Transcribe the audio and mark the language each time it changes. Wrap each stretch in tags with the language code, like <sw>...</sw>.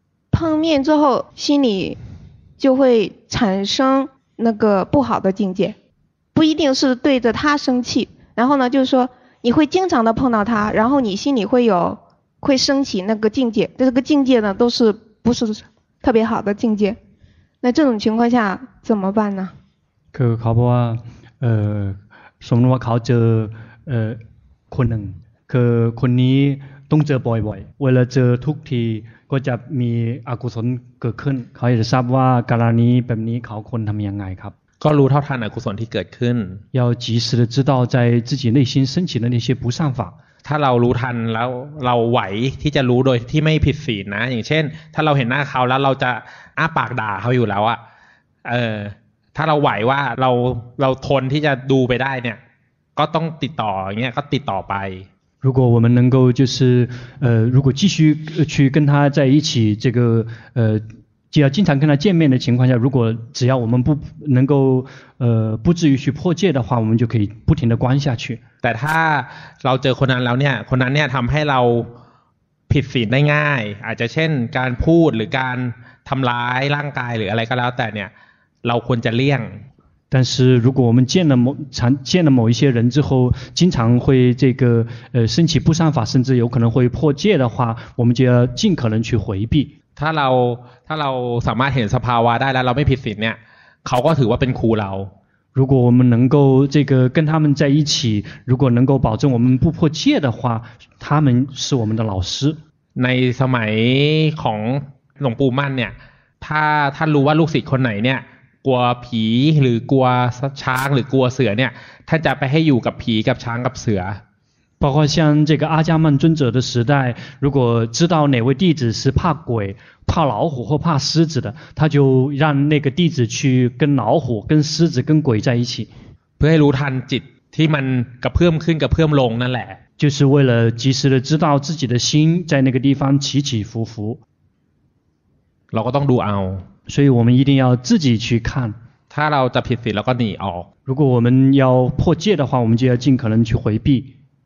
<zh>碰面之后心里就会产生那个不好的境界，不一定是对着他生气，然后呢就是说你会经常的碰到他，然后你心里会有会升起那个境界，这个境界呢都是不是特别好的境界，那这种情况下怎么办呢？</zh> <th>คือเขาบอกว่าสมมติว่าเขาเจอคนหนึ่งคือคนนี้ต้องเจอบ่อยๆเวลาเจอทุกทีก็จะมีอกุศลเกิดขึ้นเขาอยากจะทราบว่าการณีแบบนี้เขาควรทำยังไงครับ ก็รู้เท่าทันอกุศลที่เกิดขึ้น</th> <zh>要及时的知道在自己内心升起的那些不善法</zh> <th>ถ้าเรารู้ทันแล้วเราไหวที่จะรู้โดยที่ไม่ผิดศีลนะอย่างเช่นถ้าเราเห็นหน้าเขาแล้วเราจะอ้าปากด่าเขาอยู่แล้วอ่ะถ้าเราไหวว่าเราทนที่จะดูไปได้เนี่ยก็ต้องติดต่ออย่างเงี้ยก็ติดต่อไป</th> <zh>如果我们能够就是如果继续去跟他在一起这个只要经常跟他见面的情况下如果只要我们不能够不至于去破戒的话我们就可以不停的观下去</zh> <th>แต่ถ้าเราเจอคนนั้นแล้วเนี่ยคนนั้นเนี่ยทำให้เราผิดศีลได้ง่ายอาจจะเช่นการพูดหรือการทำร้ายร่างกายหรืออะไรก็แล้วแต่เนี่ยเราควรจะเลี่ยง</th> <zh>但是如果我们见了某一些人之后经常会这个升起不善法甚至有可能会破戒的话我们就要尽可能去回避</zh> <th>ถ้าเราสามารถเห็นสภาวะได้แล้วเราไม่ผิดศีลเนี่ยเขาก็ถือว่าเป็นครูเรา</th> <zh>如果我们能够这个跟他们在一起如果能够保证我们不破戒的话他们是我们的老师</zh> <th>ในสมัยของหลวงปู่มั่นเนี่ยถ้ารู้ว่าลูกศิษย์คนไหนเนี่ยกลัวผีหรือกลัวช้างหรือกลัวเสือเนี่ยท่านจะไปให้อยู่กับผีกับช้างกับเสือ</th> <zh>包括像这个阿伽曼尊者的时代，如果知道哪位弟子是怕鬼、怕老虎或怕狮子的，他就让那个弟子去跟老虎、跟狮子、跟鬼在一起。不要</zh> <th>รู้ทันจิตที่มันกระเพิ่มขึ้นกระเพิ่มลงนั่นแหละ。</th> <zh>就是为了及时的知道自己的心在那个地方起起伏伏。</zh> <th>เราก็ต้องดูเอา。</th> <zh>所以我们一定要自己去看。</zh> <th>ถ้าเราจะผิดศีลแล้วก็หนีออก。</th> <zh>如果我们要破戒的话，我们就要尽可能去回避。</zh>